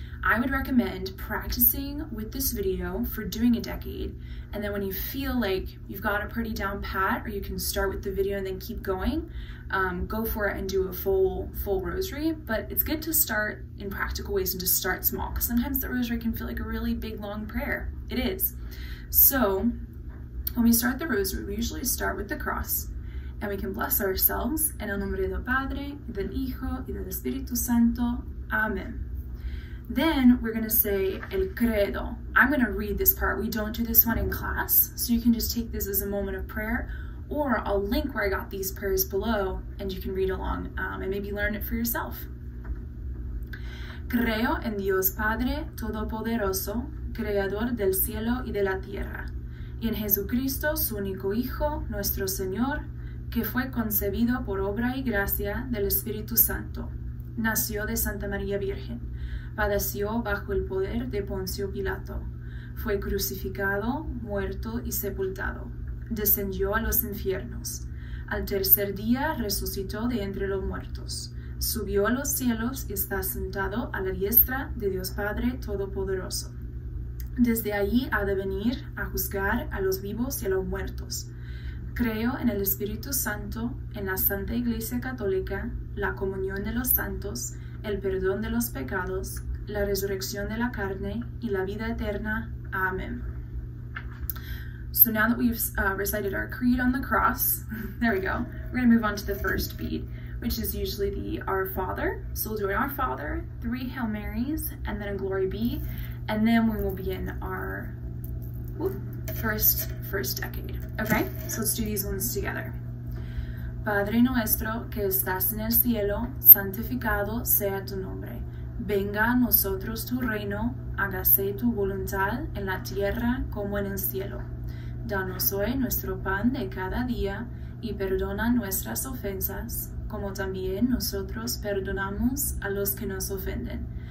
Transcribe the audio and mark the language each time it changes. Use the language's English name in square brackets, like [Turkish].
[English] I would recommend practicing with this video for doing a decade, and then when you feel like you've got a pretty down pat, or you can start with the video and then keep going, go for it and do a full rosary. But it's good to start in practical ways and to start small, because sometimes the rosary can feel like a really big, long prayer. It is. So when we start the rosary, we usually start with the cross, and we can bless ourselves. [Spanish] En el nombre del Padre, del Hijo, y del Espíritu Santo. [English] Amen. Then we're gonna say el credo. I'm gonna read this part. We don't do this one in class, so you can just take this as a moment of prayer, or I'll link where I got these prayers below and you can read along and maybe learn it for yourself. [Spanish] Creo en Dios Padre Todopoderoso, Creador del cielo y de la tierra, y en Jesucristo, su único Hijo, nuestro Señor, que fue concebido por obra y gracia del Espíritu Santo. Nació de Santa María Virgen. Padeció bajo el poder de Poncio Pilato, fue crucificado, muerto y sepultado, descendió a los infiernos, al tercer día resucitó de entre los muertos, subió a los cielos y está sentado a la diestra de Dios Padre Todopoderoso. Desde allí ha de venir a juzgar a los vivos y a los muertos. Creo en el Espíritu Santo, en la Santa Iglesia Católica, la comunión de los santos, el perdón de los pecados, la resurrección de la carne, y la vida eterna. Amen. [English] So now that we've recited our creed on the cross, there we go, we're going to move on to the first bead, which is usually the Our Father. So we'll do an Our Father, three Hail Marys, and then a Glory Be, and then we will begin our first decade. Okay, so let's do these ones together. [Spanish] Padre nuestro que estás en el cielo, santificado sea tu nombre. Venga a nosotros tu reino, hágase tu voluntad en la tierra como en el cielo. Danos hoy nuestro pan de cada día y perdona nuestras ofensas, como también nosotros perdonamos a los que nos ofenden.